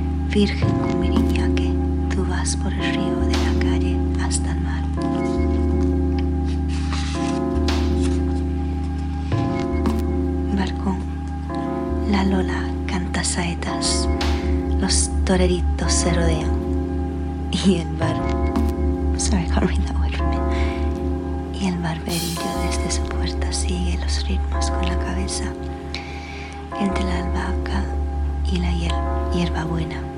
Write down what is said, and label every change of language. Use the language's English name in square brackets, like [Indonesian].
[Spanish] Virgen con mi niña, que tú vas por el río de la calle hasta el mar. Balcón, la Lola canta saetas, los toreritos se rodean, y el bar... [English] Sorry, I can't read that word from me. [Spanish] Y el barberillo desde su puerta sigue los ritmos con la cabeza, entre la albahaca y la hierbabuena.